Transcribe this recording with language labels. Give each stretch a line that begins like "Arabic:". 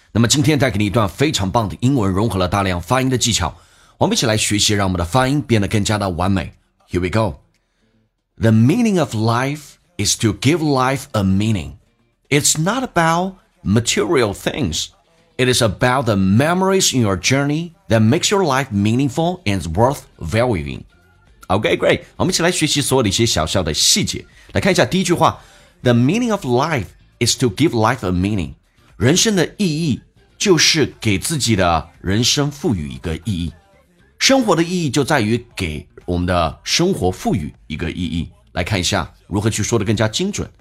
Chinese: 那么今天带给你一段非常棒的英文，融合了大量发音的技巧，我们一起来学习，让我们的发音变得更加的完美。
English: Here we go. The meaning of life is to give life a meaning. It's not about material things. It is about the memories in your journey that makes your life meaningful and worth valuing. OK, great.
Chinese: 我们一起来学习所有的一些小小的细节，来看一下第一句话。
English: The meaning of life is to give life a meaning.
Chinese: 人生的意义就是给自己的人生赋予一个意义。生活的意义就在于给我们的生活赋予一个意义。来看一下如何去说的更加精准。